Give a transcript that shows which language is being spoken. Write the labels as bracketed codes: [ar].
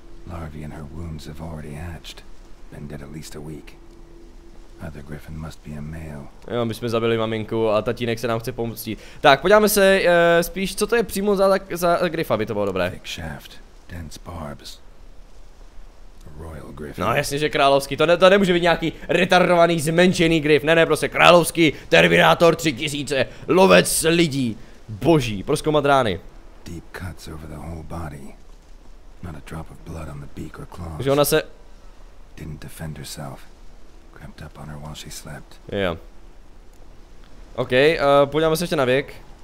[en] Larvae and her wounds have already hatched. Been dead at least a week. Other Griffin must be a male. [cs] Jo, my jsme zabili maminku a tatínek se nám chce pomstit. Tak, podíváme se spíš, co to je přímo za Griffa, by to bylo dobré. [en] Thick shaft, dense barbs. Royal Griffin. [cs] No jasně, že královský, to nemůže být nějaký retardovaný, zmenšený Griff. Ne, prostě královský, Terminátor 3000, lovec lidí. Boží, proskoumat rány. [en] Deep cuts over the whole body. Not a drop of blood on the beak or claws. [cs] Že ona se... [en] Didn't defend herself. Crept up on her while she slept. Yeah. [cs] OK, podíváme se ještě na věk.